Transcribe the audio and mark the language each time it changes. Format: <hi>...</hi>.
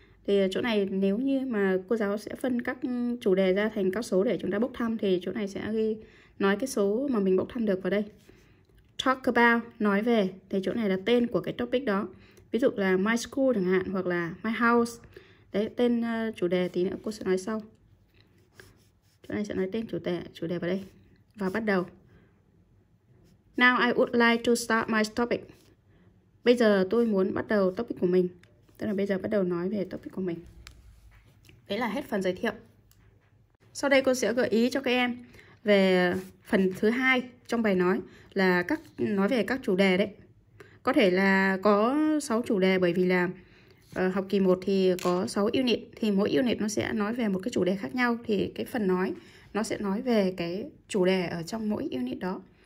<vi>Thì chỗ này nếu như mà cô giáo sẽ phân các chủ đề ra thành các số để chúng ta bốc thăm thì chỗ này sẽ ghi nói cái số mà mình bốc thăm được vào đây. Talk about, nói về, thì chỗ này là tên của cái topic đó. Ví dụ là</vi> <en>my school</en> <vi>chẳng hạn, hoặc là</vi> <en>my house.</en> <vi>Đấy, tên chủ đề tí nữa cô sẽ nói sau. Chỗ này sẽ nói tên chủ đề vào đây. Và bắt đầu.</vi> <en>Now I would like to start my topic.</en> <vi>Bây giờ tôi muốn bắt đầu topic của mình. Tức là bây giờ bắt đầu nói về topic của mình. Đấy là hết phần giới thiệu. Sau đây cô sẽ gợi ý cho các em về phần thứ hai trong bài nói, là các nói về các chủ đề đấy. Có thể là có 6 chủ đề, bởi vì là học kỳ 1 thì có 6 unit, thì mỗi unit nó sẽ nói về một cái chủ đề khác nhau, thì cái phần nói nó sẽ nói về cái chủ đề ở trong mỗi unit đó.</vi>